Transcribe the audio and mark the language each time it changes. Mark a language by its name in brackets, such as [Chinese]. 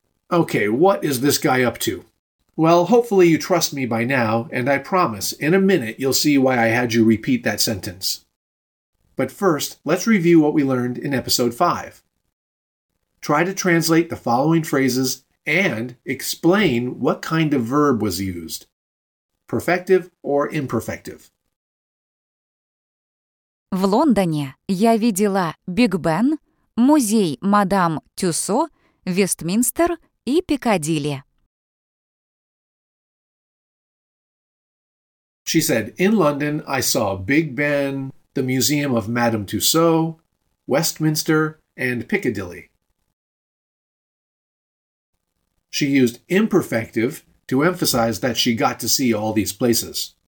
[English] Okay, what is this guy up to? Well, hopefully you trust me by now, and I promise, in a minute, you'll see why I had you repeat that sentence. But first, let's review what we learned in Episode 5. Try to translate the following phrases and explain what kind of verb was used. Perfective or imperfective? [Russian] В Лондоне я видела Биг Бен, музей Мадам Тюссо, Вестминстер и Пикадилли. [English] She said, in London, I saw Big Ben, the Museum of Madame Tussauds, Westminster, and Piccadilly. She used imperfective to emphasize that she got to see all these places.